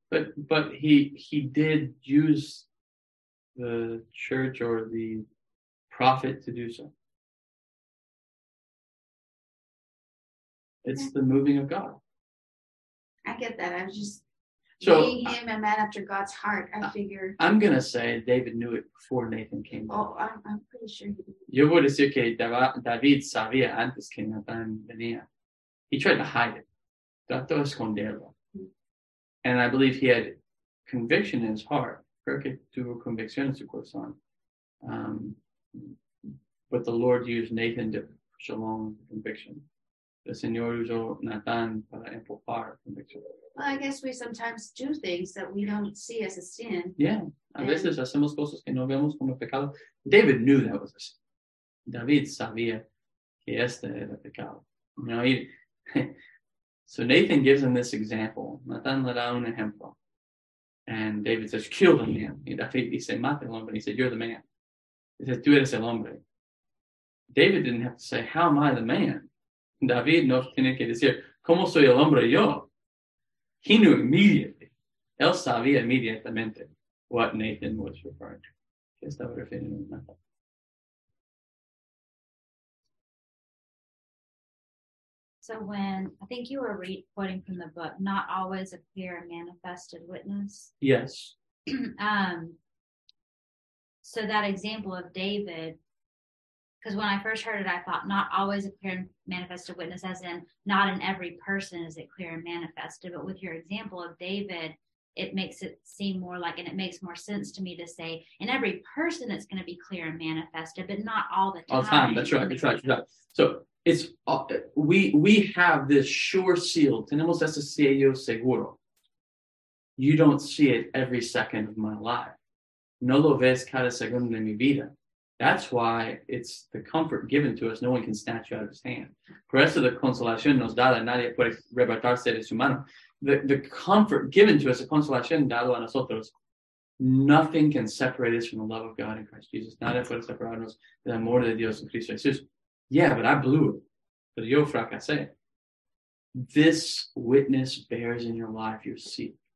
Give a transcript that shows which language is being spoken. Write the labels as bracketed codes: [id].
[en] But he did use the church or the prophet to do so. It's the moving of God. I get that. I was just seeing him a man after God's heart. I'm going to say David knew it before Nathan came back. Oh, I'm pretty sure he did. [es] Yo voy a decir que David sabía antes que Nathan venía. [en] He tried to hide it. [es] Trató de esconderlo. [en] And I believe he had conviction in his heart. [es] Creo que tuvo convicción en su corazón. [en] But the Lord used Nathan to push along the conviction. [es] The Señor usó Nathan para empujar conviction. [en] Well, I guess we sometimes do things that we don't see as a sin. [es] Yeah, veces hacemos cosas que no vemos como pecado. [en] David knew that was a sin. [es] David sabía que este era pecado. [en] You know, so Nathan gives him this example. [es] Nathan le da un ejemplo. [en] And David says, kill the man. [es] Y David dice, mate el hombre. [en] He said, you're the man. He says, [es] tú eres el hombre. [en] David didn't have to say, how am I the man? [es] David no tiene que decir, ¿cómo soy el hombre yo? [en] He knew immediately. [es] Él sabía inmediatamente [en] what Nathan was referring to. [es] ¿Qué estaba refiriendo a Nathan? [en] So when, I think you were quoting from the book, not always a clear manifested witness. Yes. So that example of David, because when I first heard it, I thought not always a clear manifested witness, as in not in every person is it clear and manifested. But with your example of David, it makes it seem more like, and it makes more sense to me to say, in every person it's going to be clear and manifested, but not all the time. All the time, that's right. So it's we have this sure seal. [es] Tenemos ese sello seguro. [en] You don't see it every second of my life. [es] No lo ves cada segundo de mi vida. [en] That's why it's the comfort given to us. No one can snatch you out of his hand. [es] Por eso la consolación nos da la nadie puede arrebatarse de su mano. [en] The comfort given to us, the [es] consolación dado a nosotros, [en] nothing can separate us from the love of God in Christ Jesus. [es] Nadie puede separarnos del amor de Dios en Cristo Jesús. [en] Yeah, but I blew it. But [es] yo fracasé. [en] This witness bears in your life your seal.